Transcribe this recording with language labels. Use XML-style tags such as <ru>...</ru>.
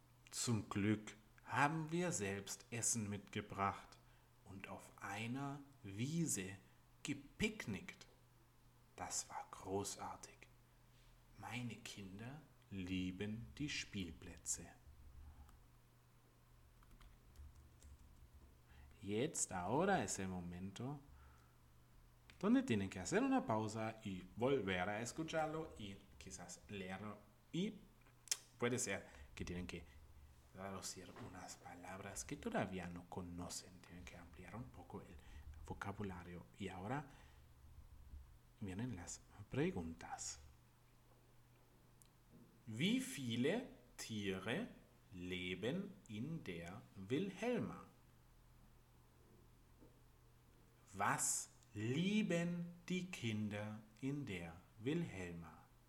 <de>Zum Glück haben wir selbst Essen mitgebracht und auf einer Wiese gepicknickt. Das war großartig. Meine Kinder lieben die Spielplätze. Jetzt,</de> <es>ahora es el momento donde tienen que hacer una pausa y volver a escucharlo y quizás leerlo. Y puede ser que tienen que traducir unas palabras que todavía no conocen. Tienen que ampliar un poco el vocabulario. Y ahora vienen las preguntas.</es> <de>Wie viele Tiere leben in der Wilhelma? Was lieben die Kinder in der Wilhelma?</de>